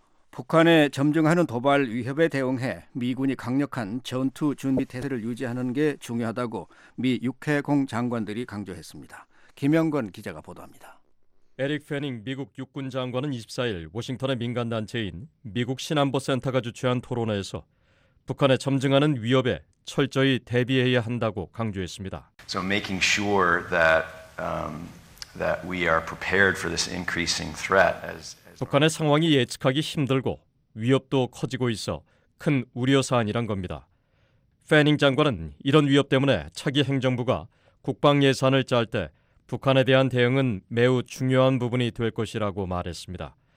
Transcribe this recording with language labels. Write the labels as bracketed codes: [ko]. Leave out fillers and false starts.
[ko] 북한의 점증하는 도발 위협에 대응해 미군이 강력한 전투 준비 태세를 유지하는 게 중요하다고 미 육해공 장관들이 강조했습니다. 김영건 기자가 보도합니다. 에릭 페닝 미국 육군 장관은 24일 워싱턴의 민간단체인 미국 신안보센터가 주최한 토론회에서 북한의 점증하는 위협에 철저히 대비해야 한다고 강조했습니다. [en] So making sure that that we are prepared for this increasing threat as [ko] 북한의 상황이 예측하기 힘들고 위협도 커지고 있어 큰 우려 사안이란 겁니다. 패닝 장관은 이런 위협 때문에 차기 행정부가 국방 예산을 짤 때 북한에 대한 대응은 매우 중요한 부분이 될 것이라고 말했습니다.